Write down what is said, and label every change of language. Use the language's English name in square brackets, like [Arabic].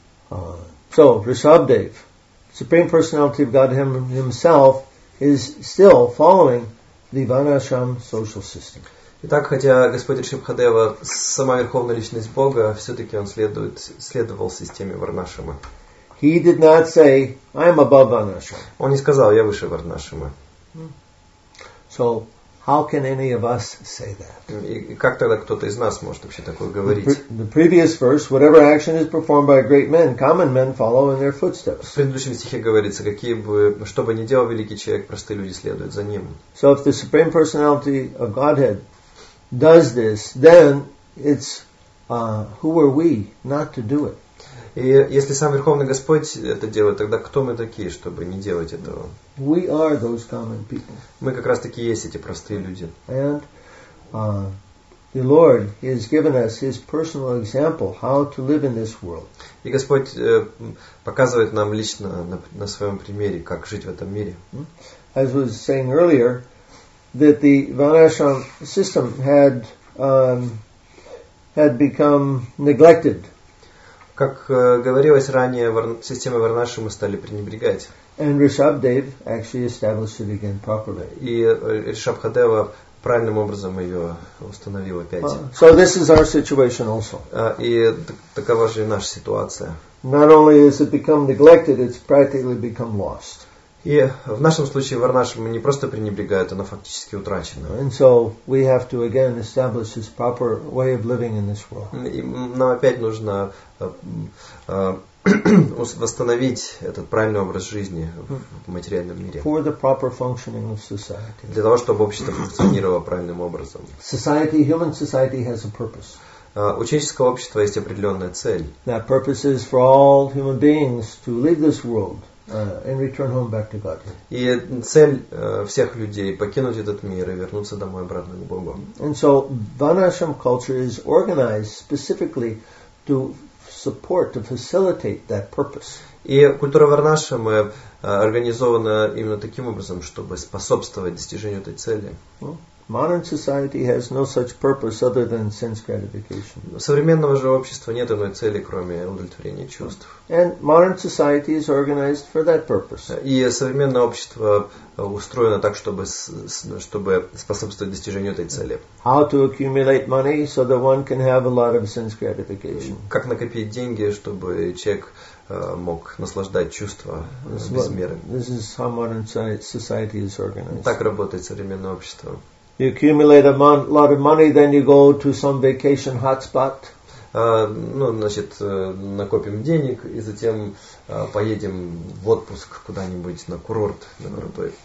[English] So, Rishabhdev, Supreme Personality of Godhead himself, is still following the Vanashram social system. [Russian] Итак, хотя Господь Ришабхадева сама верховная личность Бога, все-таки он следовал системе Варнашрама. [English] He did not say, I am above Varnashram. [Russian] Он не сказал, я выше Варнашрама. [English] So, how can any of us say that? [Russian] И как тогда кто-то из нас может вообще такое говорить? [English] The previous verse, whatever action is performed by great men, common men follow in their footsteps. [Russian] В предыдущем стихе говорится, что бы ни делал великий человек, простые люди следуют за ним. [English] So, if the Supreme Personality of Godhead does this, then it's who are we not to do it? [Russian] И если сам Верховный Господь это делает, тогда кто мы такие, чтобы не делать этого? [English] We are those common people. [Russian] Мы как раз таки есть эти простые люди. [English] And the Lord has given us His personal example how to live in this world. [Russian] И Господь показывает нам лично на своем примере, как жить в этом мире. [English] As was saying earlier, that the Vanashram system had become neglected. [Russian] Как говорилось ранее, системы Варнаши мы стали пренебрегать. [English] And Rishabhdev actually established it again properly. [Russian] И Ришабхадева правильным образом ее установил опять. [English] So this is our situation also. [Russian] И такова же и наша ситуация. [English] Not only has it become neglected, it's practically become lost. [Russian] И в нашем случае Варнашрам не просто пренебрегают, она фактически утрачена. [English] And so we have to again establish this proper way of living in this world. [Russian] И нам опять нужно восстановить этот правильный образ жизни в материальном мире. [English] For the proper functioning of society. [Russian] Для того, чтобы общество функционировало правильным образом. [English] Society, human society has a purpose. [Russian] У человеческого общества есть определенная цель. [English] That purpose is for all human beings to leave this world. And return home back to God. [Russian] И цель всех людей покинуть этот мир и вернуться домой обратно к Богу. [English] And so Vanashram culture is organized specifically to support, to facilitate that purpose. [Russian] И культура Варнашрам организована именно таким образом, чтобы способствовать достижению этой цели. [English] Modern society has no such purpose other than sense gratification. [Russian] Современного же общества нет иной цели, кроме удовлетворения чувств. [English] And modern society is organized for that purpose. [Russian] И современное общество устроено так, чтобы способствовать достижению этой цели. [English] How to accumulate money so that one can have a lot of sense gratification. [Russian] Как накопить деньги, чтобы человек мог наслаждать чувства без меры. [English] This is how modern society is organized. [Russian] Так работает современное общество. [English] You accumulate a lot of money, then you go to some vacation hotspot. [Russian] Накопим денег и затем поедем в отпуск куда-нибудь на курорт, на крутой.